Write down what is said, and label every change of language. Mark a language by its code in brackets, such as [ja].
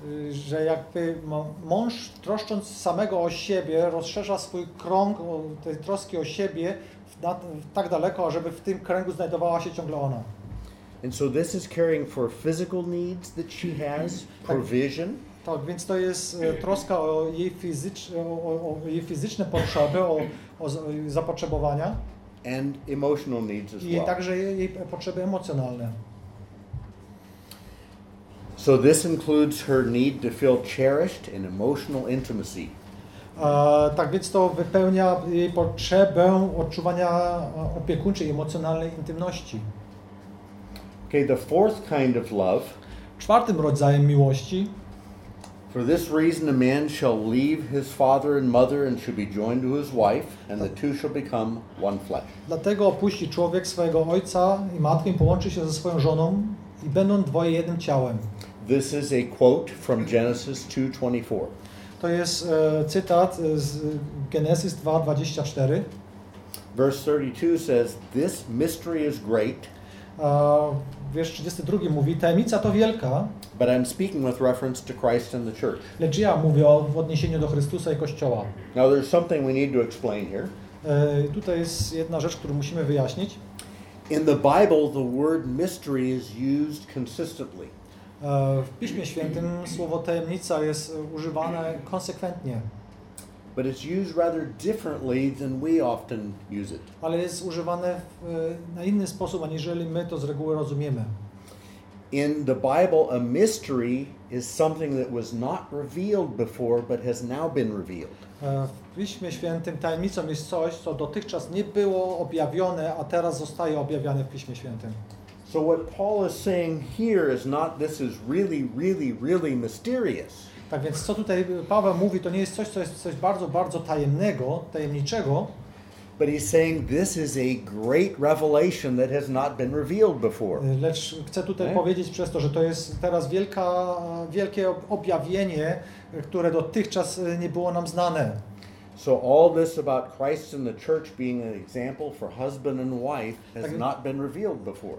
[pl] Że jakby mąż troszcząc samego o siebie rozszerza swój krąg tej troski o siebie tak daleko, żeby w tym kręgu znajdowała się ciągle ona. [en] And so this is caring for physical needs that she has, provision. [pl] Tak, więc to jest troska o jej jej fizyczne potrzeby, o zapotrzebowania. [en] And emotional needs as well. [pl] I także jej potrzeby emocjonalne. [en] So this includes her need to feel cherished and emotional intimacy. [pl] Tak więc to wypełnia jej potrzebę odczuwania opiekuńczej, emocjonalnej intymności. [en] Okay, the fourth kind of love. [pl] Czwartym rodzajem miłości. [en] For this reason a man shall leave his father and mother and shall be joined to his wife and the two shall become one flesh. [pl] Dlatego opuści człowiek swojego ojca i matkę, połączy się ze swoją żoną i będą dwoje jednym ciałem. [en] This is a quote from Genesis 2:24. [pl] To jest cytat z Genesis 2:24. [en] Verse 32 says this mystery is great. [pl] Wiersz 32 mówi, tajemnica to wielka. [en] But I'm speaking with reference to Christ and the church. [pl] Lecz ja mówię w odniesieniu do Chrystusa i Kościoła. [en] Now there's something we need to explain here. [pl] Tutaj jest jedna rzecz, którą musimy wyjaśnić. [en] In the Bible, the word mystery is used consistently. [pl] W Piśmie Świętym słowo tajemnica jest używane konsekwentnie. [en] But it's used rather differently than we often use it. [pl] Ale jest używane na inny sposób, aniżeli my to z reguły rozumiemy. [en] In the Bible, a mystery is something that was not revealed before, but has now been revealed. [pl] W Piśmie Świętym tajemnicą jest coś, co dotychczas nie było objawione, a teraz zostaje objawione w Piśmie Świętym. [en] So what Paul is saying here is not this is really, really, really mysterious. [pl] Tak więc co tutaj Paweł mówi, to nie jest coś, co jest coś bardzo, bardzo tajemnego, tajemniczego. [en] But he's saying this is a great revelation that has not been revealed before. [pl] Lecz chcę tutaj powiedzieć przez to, że to jest teraz wielkie objawienie, które dotychczas nie było nam znane. [en] So all this about Christ and the church being an example for husband and wife has [pl] tak, [en] not been revealed before.